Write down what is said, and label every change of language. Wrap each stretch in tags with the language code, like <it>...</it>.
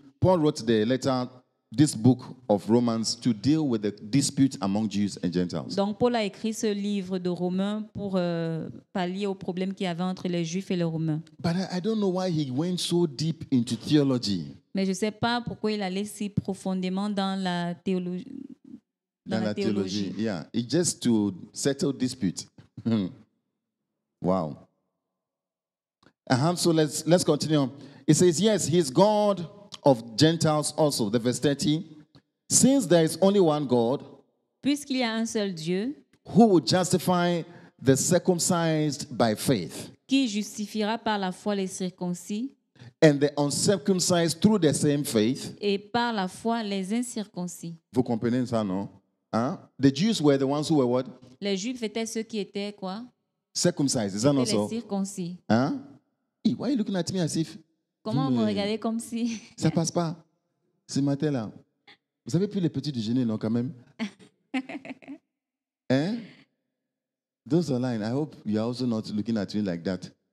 <en>Paul wrote the letter, this book of Romans, to deal with the dispute among Jews and Gentiles.</en> <fr>Donc Paul a écrit ce livre de Romains pour pallier au problème qu'il y avait entre les Juifs et les Romains.</fr> <en>But I don't know why he went so deep into theology.</en> <fr>Mais je sais pas pourquoi il allait si profondément dans la théologie. Dans la théologie.</fr> <en>Yeah, it's just to settle dispute. Wow. So let's continue. It says yes, he's God of Gentiles also. The verse 30. Since there is only one God,</en> <fr>puisqu'il y a un seul Dieu,</fr> <en>who would justify the circumcised by faith,</en> <fr>qui justifiera par la foi les circoncis,</fr> <en>and the uncircumcised through the same faith,</en> <fr>et par la foi les incirconcis. Vous comprenez ça, non? Hein?</fr> <en>The Jews were the ones who were what?</en> <fr>Les Juifs étaient ceux qui étaient quoi?</fr> <en>Circumcised, is that not so?</en> <fr>Les circoncis. Hein?</fr> <en>Hey, why are you looking at me as if?</en> <fr>Comment vous regardez comme si... Ça passe pas. Ce matin là. Vous avez pris les petits déjeuners, non, quand même? Hein?</fr> <en>Those online, I hope you are also not looking at me like that.</en>